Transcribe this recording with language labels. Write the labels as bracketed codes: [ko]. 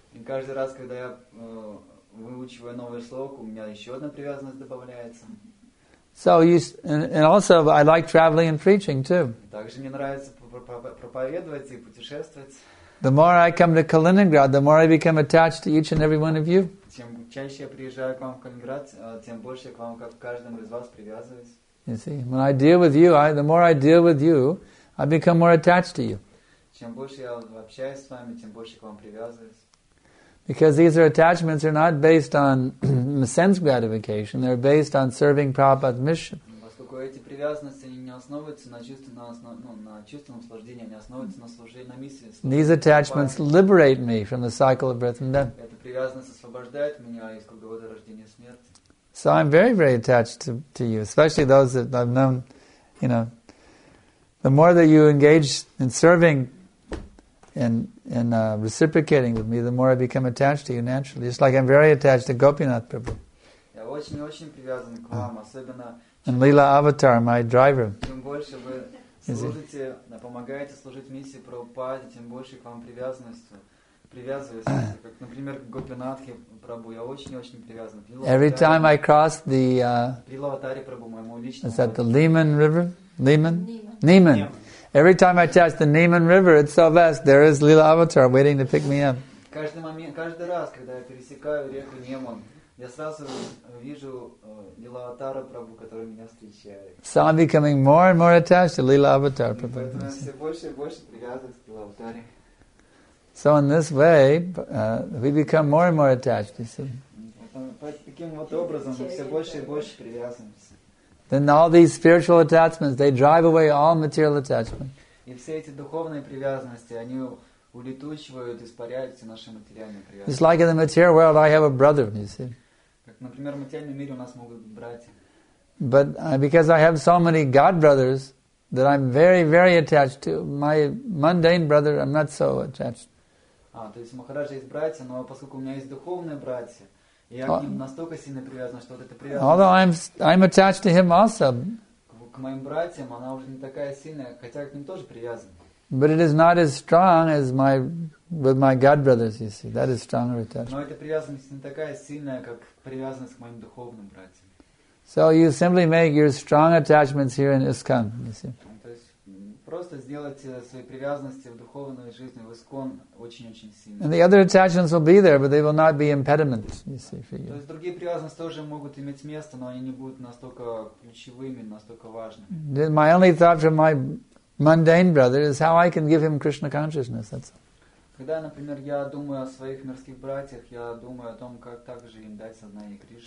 [ru] Каждый раз, когда я выучиваю новый слог, у меня еще одна привязанность добавляется. [en] So you, and also I like traveling and preaching too. [ru] Также мне нравится проповедовать и путешествовать. [en] The more I come to Kaliningrad, the more I become attached to each and every one of you. [ru] Чем чаще я приезжаю к вам в Калининград, тем больше я к вам, как к каждому из вас, привязываюсь. [en] You see, when I deal with you, the more I deal with you, I become more attached to you. [ru] Чем больше я общаюсь с вами, тем больше к вам привязываюсь. [en] Because these are attachments, they're not based on sense gratification, they're based on serving Prabhupada's mission. [ru] Поскольку эти привязанности не основываются на чувственном наслаждении, они основываются на служении, на миссии. [en] These attachments liberate me from the cycle of birth and death. [ru] Эта привязанность освобождает меня из круговорота рождения и смерти. [en] So I'm very, very attached to you, especially those that I've known, you know. The more that you engage in serving and reciprocating with me, the more I become attached to you naturally. It's like I'm very attached to Gopinath Prabhu. [ru] Я очень-очень привязан к вам, особенно. [en] And Leela Avatar, my driver. [ru] Чем больше вы служите, помогаете служить миссии Прабхупаде, тем больше к вам привязываюсь. Как, например, Гопинатхе Прабху, я очень-очень привязан. [en] Every time I cross the [ru] Leela Avatar Prabhu, моему личному. [en] Is that the Leman River? Leman? Neman. Every time I touch the Neman River, it's so vast. There is Leela Avatar waiting to pick me up. [ru] Каждый раз, когда я пересекаю реку Неман, я сразу вижу Лила Аватара Прабху, который меня встречает. [en] So I'm becoming more and more attached to Leela Avatar Prabhu. [ru] Поэтому я все больше и больше привязываюсь к Лила Аватаре. [en] So in this way, we become more and more attached, you see. [ru] Таким вот образом мы все больше и больше привязываемся. [en] Then all these spiritual attachments, they drive away all material attachments. [ru] И все эти духовные привязанности, они улетучивают, испаряются наши материальные привязанности. [en] It's like in the material world, I have a brother, you see. [ru] Как, например, в материальном мире у нас могут быть братья. [en] But because I have so many God brothers that I'm very, very attached to, my mundane brother, I'm not so attached. [ru] А, то есть у Махараджа есть братья, но поскольку у меня есть духовные братья, я к ним настолько сильно привязан, что вот эта привязанность. [en] Although I'm attached to him also. [ru] К моим братьям она уже не такая сильная, хотя к ним тоже привязан. [en] But it is not as strong as with my God brothers, you see. That is stronger attachment. [ru] Но эта привязанность не такая сильная, как привязанность к моим духовным братьям. [en] So you simply make your strong attachments here in ISKCON, you see. [ru] То есть просто сделать свои привязанности в духовную жизнь в искон очень-очень сильными. [en] And the other attachments will be there, but they will not be impediment, you see, for you. [ru] То есть другие привязанности тоже могут иметь место, но они не будут настолько ключевыми, настолько важными. [en] My only thought for my mundane brother is how I can give him Krishna consciousness. That's all. [ru] Когда, например, я думаю о своих мирских братьях, я думаю о том, как также им дать сознание Кришны.